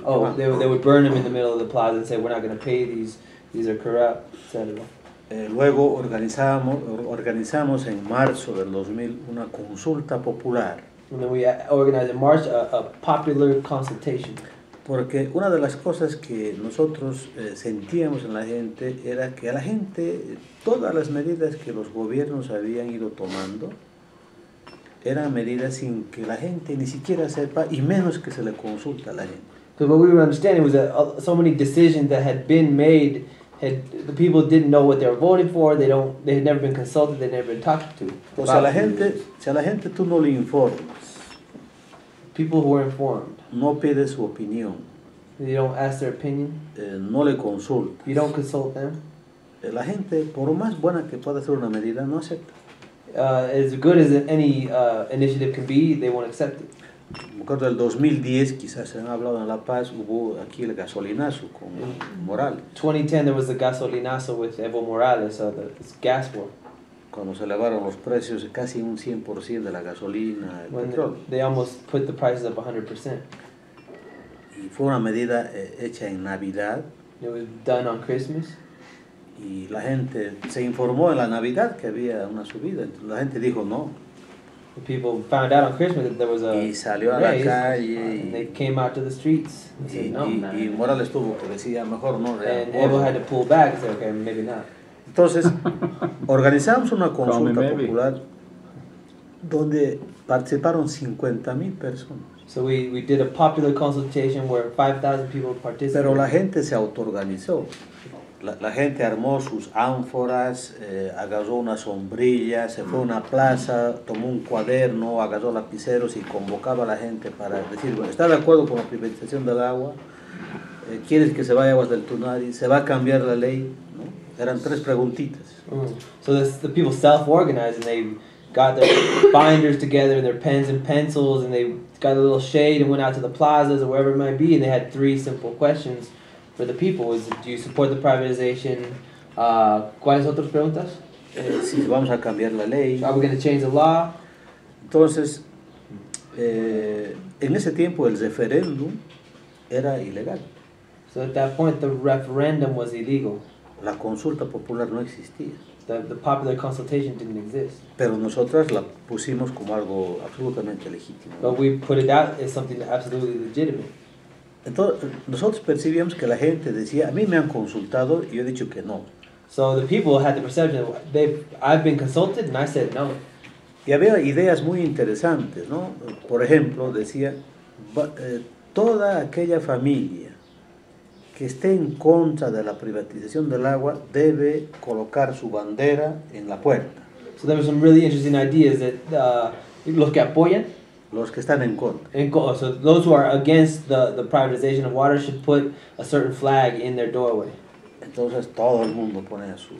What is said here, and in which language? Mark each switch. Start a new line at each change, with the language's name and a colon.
English: Oh, they would burn them in the middle of the plaza and say, we're not going to pay these are corrupt, etc.
Spanish: Luego organizamos en marzo del 2000 una consulta popular.
English: And then we organized in March a popular consultation.
Spanish: Porque una de las cosas que nosotros sentíamos en la gente era que a la gente, todas las medidas que los gobiernos habían ido tomando, eran medidas sin que la gente ni siquiera sepa y menos que se le consulta a la gente.
English: So what we were understanding was that so many decisions that had been made, the people didn't know what they were voting for, they had never been consulted, they had never been talked to.
Spanish: Pues a la gente tú no le informas.
English: People who are informed.
Spanish: No pide su opinión.
English: You don't ask their opinion.
Spanish: No le consultas.
English: You don't consult them.
Spanish: La gente, por más buena que pueda ser una medida, no acepta.
English: As good as any initiative can be, they won't accept it.
Spanish: me acuerdo del 2010, quizás se han hablado en La Paz, hubo aquí el gasolinazo con Morales.
English: 2010 there was the gasolinazo with Evo Morales, so the gas war.
Spanish: Cuando se elevaron los precios casi un 100% de la gasolina, el petróleo.
English: They almost put the prices up 100%.
Spanish: Y fue una medida hecha en Navidad.
English: It was done on Christmas.
Spanish: Y la gente se informó en la Navidad que había una subida. La gente dijo no.
English: The people found out on Christmas that there was a
Spanish: y salió a la calle.
English: And they came out to the streets.
Spanish: Y Morales tuvo que decir, a mejor no.
English: And Evo had to pull back and say, okay, maybe not.
Spanish: Entonces, organizamos una consulta popular donde participaron 50,000 personas.
English: So we did a popular consultation where 5,000 people participated.
Spanish: Pero la gente se autoorganizó. La gente armó sus ánforas, agarró una sombrilla, se fue a una plaza, tomó un cuaderno, agarró lapiceros y convocaba a la gente para decir, bueno, ¿está de acuerdo con la privatización del agua? ¿Quieres que se vaya Aguas del Tunari? ¿Se va a cambiar la ley? ¿No? Eran tres preguntitas.
English: So the people self-organized and they got their binders together and their pens and pencils and they got a little shade and went out to the plazas or wherever it might be and they had three simple questions for the people. Is do you support the privatization?
Spanish: ¿Cuáles otras preguntas? Si vamos a cambiar la ley.
English: Are we going to change the law?
Spanish: Entonces, en ese tiempo el referéndum era ilegal.
English: So at that point the referendum was illegal.
Spanish: La consulta popular no existía.
English: The popular consultation didn't exist.
Spanish: Pero nosotros la pusimos como algo absolutamente legítimo.
English: But we put it out as something absolutely legitimate.
Spanish: Entonces, nosotros percibíamos que la gente decía, a mí me han consultado y yo he dicho que no.
English: So the people had the perception that I've been consulted and I said no.
Spanish: Y había ideas muy interesantes, ¿no? Por ejemplo, decía, toda aquella familia que esté en contra de la privatización del agua debe colocar su bandera en la puerta.
English: So there were some really interesting ideas that
Spanish: los que apoyan, los que están en contra.
English: So those who are against the privatization of water should put a certain flag in their doorway.
Spanish: Entonces todo el mundo pone su.